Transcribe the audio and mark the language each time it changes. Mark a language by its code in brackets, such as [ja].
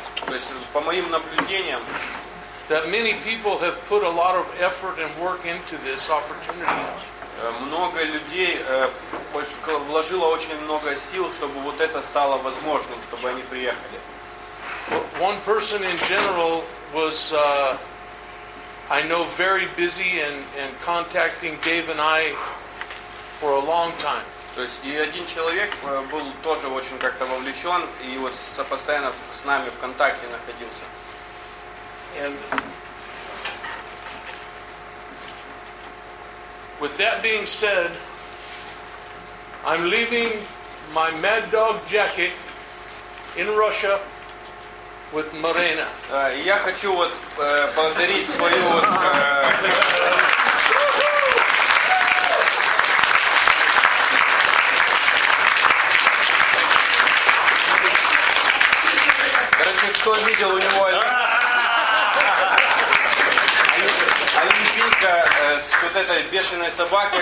[ru] То есть по моим наблюдениям. [en] That many people have put a lot of effort and work into this opportunity. [ru] Много людей вложило очень много сил, чтобы вот это стало возможным, чтобы они приехали. [en] One person in general was, I know, very busy and contacting Dave and I for a long time. [ru] То есть и один человек был тоже очень как-то вовлечен и вот постоянно с нами в контакте находился. [en] And with that being said, I'm leaving my mad dog jacket in Russia with Marina. [ru] Я хочу вот поблагодарить свою вот Короче, кто видел у него Олимпийка с вот этой бешеной собакой.